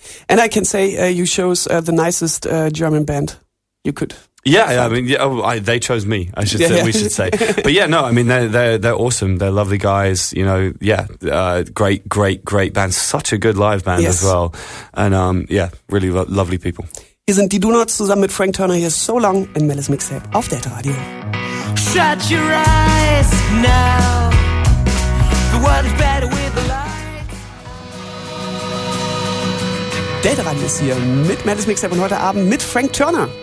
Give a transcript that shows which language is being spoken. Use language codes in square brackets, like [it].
[en] And I can say you chose the nicest German band you could. They chose me, I should say, we should say. But yeah, no, I mean, they're awesome. They're lovely guys, you know, great, great, great band. Such a good live band as well. And really lovely people. [de] Hier sind die Donuts zusammen mit Frank Turner hier so long in Melle's Mixtape auf Delta Radio. [en] Shut your eyes now, the world is better with the light. [de] Delta Radio ist hier mit Melle's Mixtape und heute Abend mit Frank Turner.